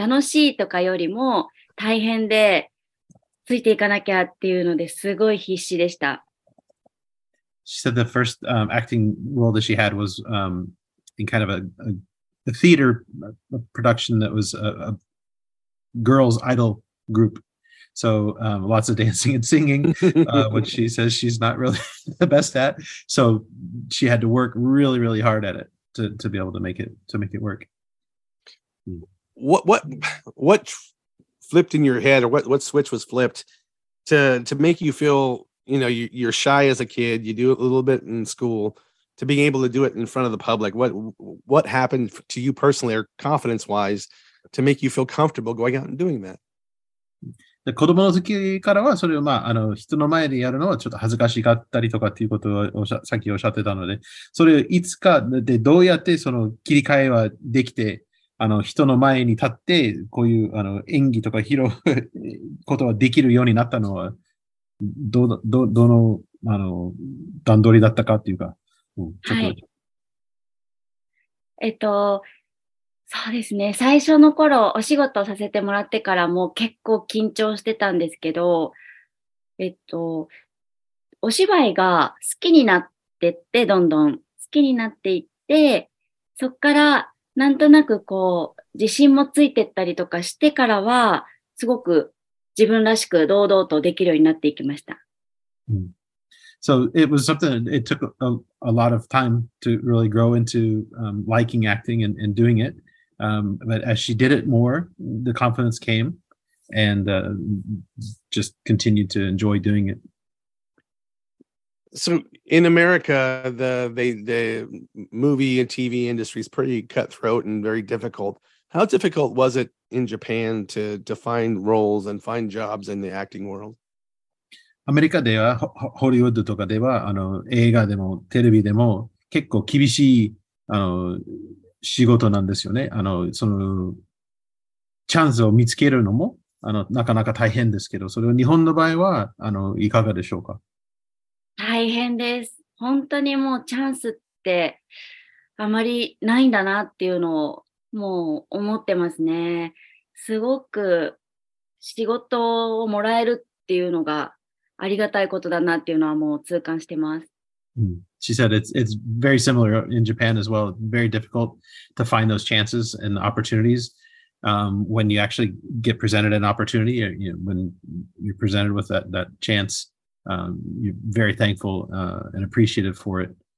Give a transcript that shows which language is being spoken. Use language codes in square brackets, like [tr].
[ja] 楽しいとかよりも大変で、ついていかなきゃっていうのですごい必死でした。 [en] She said the first acting role that she had was in kind of a theater production that was a girls' idol group. So lots of dancing and singing, which she says she's not really the best at. So she had to work really, really hard at it to be able to make it work. What flipped in your head, or what switch was flipped to make you feel, you're shy as a kid, you do it a little bit in school, to being able to do it in front of the public? What happened to you personally or confidence wise to make you feel comfortable going out and doing that? [ja] で、子供の時からはそれを、まあ、人の前でやるのはちょっと恥ずかしかったりとかっていうことをさっきおっしゃってたので、それをいつかでどうやってその切り替えはできて、人の前に立って、こういう演技とか披露ことができるようになったのは、どの段取りだったかっていうか、ちょっと。はい。そうですね。最初の頃、お仕事をさせてもらってからも結構緊張してたんですけど、お芝居が好きになってって、どんどん好きになっていって、そっからなんとなくこう、自信もついてったりとかしてからは、すごく自分らしく堂々とできるようになっていきました。 [en] So it was something, it took a lot of time to really grow into liking acting and doing it. But as she did it more, the confidence came, and just continued to enjoy doing it. So in America, the movie and TV industry is pretty cutthroat and very difficult. How difficult was it in Japan to find roles and find jobs in the acting world? [ja] アメリカでは、ホリウッドとかでは、映画でもテレビでも結構厳しい、仕事なんですよね。その、チャンスを見つけるのも、なかなか大変ですけど、それを日本の場合は、いかがでしょうか？大変です。本当にもうチャンスって、あまりないんだなっていうのを、もう思ってますね。すごく、仕事をもらえるっていうのがありがたいことだなっていうのはもう痛感してます。 [en] She said it's very similar in Japan as well. Very difficult to find those chances and opportunities. When you actually get presented an opportunity, or, you know, when you're presented with that chance, you're very thankful and appreciative for it.